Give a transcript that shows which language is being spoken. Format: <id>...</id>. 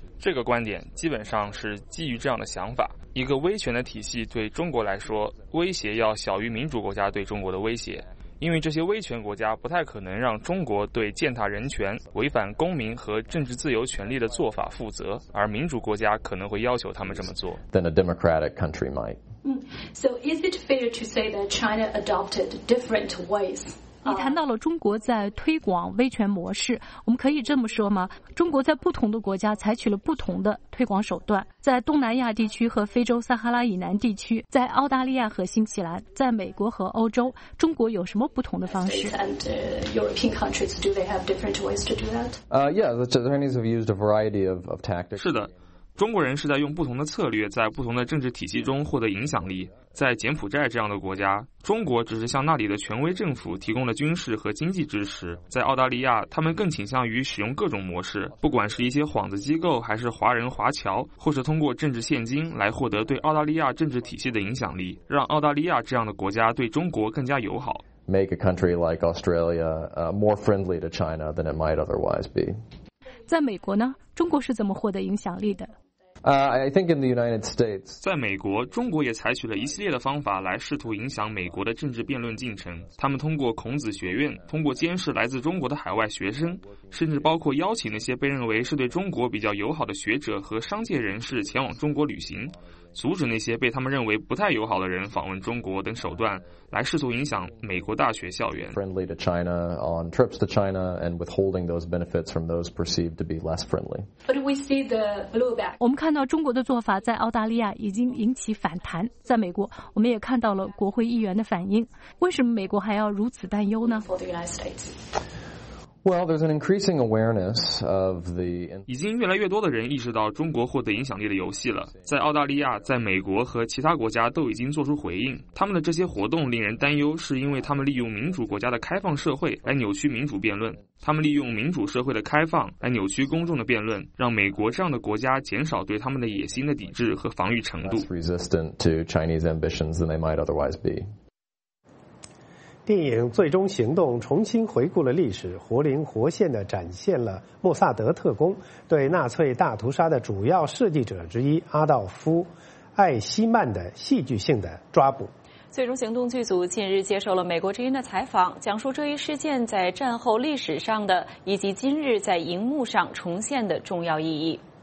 <zh>这个观点基本上是基于这样的想法，一个威权的体系对中国来说威胁要小于民主国家对中国的威胁，因为这些威权国家不太可能让中国对践踏人权、违反公民和政治自由权利的做法负责，而民主国家可能会要求他们这么做。</zh> <en>Than a democratic country might. So is it fair to say that China adopted different ways?</en> <zh>你谈到了中国在推广威权模式，我们可以这么说吗？中国在不同的国家采取了不同的推广手段，在东南亚地区和非洲撒哈拉以南地区，在澳大利亚和新西兰，在美国和欧洲，中国有什么不同的方式？</zh> <en>Yeah, the Chinese have used a variety of tactics.</en> <zh>是的，中国人是在用不同的策略在不同的政治体系中获得影响力。在柬埔寨这样的国家，中国只是向那里的权威政府提供了军事和经济支持。在澳大利亚，他们更倾向于使用各种模式，不管是一些幌子机构，还是华人华侨，或是通过政治现金来获得对澳大利亚政治体系的影响力，让澳大利亚这样的国家对中国更加友好。</zh> <en>Make a country like Australia more friendly to China than it might otherwise be.</en> <zh>在美国呢，中国是怎么获得影响力的？</zh> <en>I think in the United States,</en> <zh>在美国，中国也采取了一系列的方法来试图影响美国的政治辩论进程。他们通过孔子学院，通过监视来自中国的海外学生，甚至包括邀请那些被认为是对中国比较友好的学者和商界人士前往中国旅行，阻止那些被他们认为不太友好的人访问中国等手段，来试图影响美国大学校园。</zh> <en>Friendly to China on trips to China and withholding those benefits from those perceived to be less friendly. But we see the blowback.</en> <zh>我们看到中国的做法在澳大利亚已经引起反弹，在美国我们也看到了国会议员的反应。为什么美国还要如此担忧呢？</zh> <en>For the United States. Well, there's an increasing awareness of the.</en> <zh>已经越来越多的人意识到中国获得影响力的游戏了。在澳大利亚、在美国和其他国家都已经做出回应。他们的这些活动令人担忧，是因为他们利用民主国家的开放社会来扭曲民主辩论。他们利用民主社会的开放来扭曲公众的辩论，让美国这样的国家减少对他们的野心的抵制和防御程度。</zh> <en>Less resistant to Chinese ambitions than they might otherwise be.</en> <zh>电影《最终行动》重新回顾了历史，活灵活现地展现了莫萨德特工对纳粹大屠杀的主要设计者之一阿道夫·艾希曼的戏剧性的抓捕。 《最终行动》剧组近日接受了美国之音的采访，讲述这一事件在战后历史上的以及今日在荧幕上重现的重要意义。</zh>